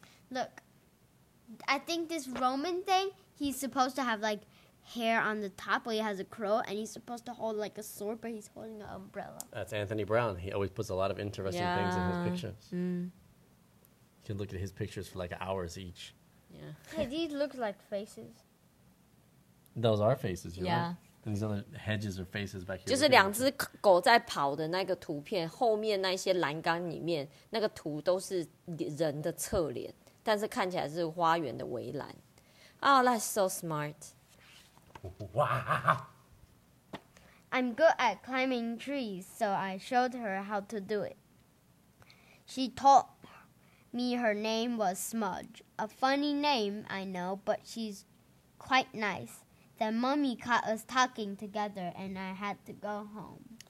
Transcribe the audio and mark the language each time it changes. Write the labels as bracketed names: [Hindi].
[English] Look, I think this Roman thing, he's supposed to have like hair on the top, but he has a crow, and he's supposed to hold like a sword, but he's holding an umbrella. That's Anthony Brown. He always puts a lot of interesting things in his pictures. Mm. You can look at his pictures for like hours each. Yeah. Hey, these look like faces. Those are faces, you know? Yeah. And these other hedges or faces back here. [Chinese] 就是两只狗在跑的那个图片，后面那些栏杆里面那个图都是人的侧脸，但是看起来是花园的围栏。 [English] Oh, that's so smart. I'm good at climbing trees, so I showed her how to do it. She taught me her name was Smudge. A funny name, I know, but she's quite nice. Then Mommy caught us talking together, and I had to go home.